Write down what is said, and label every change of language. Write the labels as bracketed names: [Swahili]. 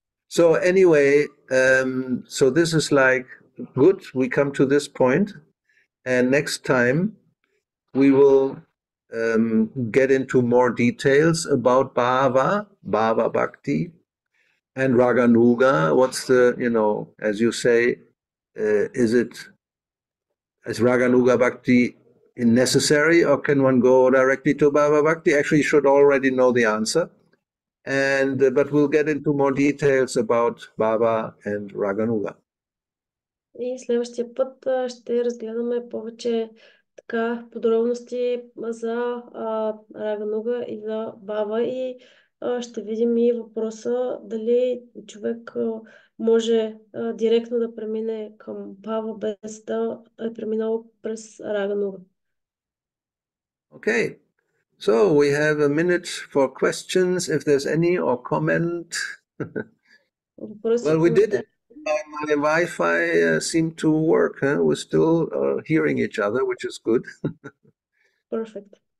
[English] So anyway, so this is like, good, we come to this point, and next time we will get into more details about Bhava Bhakti, and Ragānuga, what's the, you know, as you say, is Ragānuga Bhakti necessary, or can one go directly to Bhava Bhakti? Actually, you should already know the answer. And but we'll get into more details about Bhava and Ragānuga. [Bulgarian] И следващия път ще разгледаме повече така подробности за Рагануга и за Бава и ще видим и въпроса дали човек може директно да премине към Бава без да е преминал през Рагануга. [English] Okay. So we have a minute for questions if there's any or comment. Well, we did it. My Wi-Fi seemed to work. Huh? We're still hearing each other, which is good. Perfect.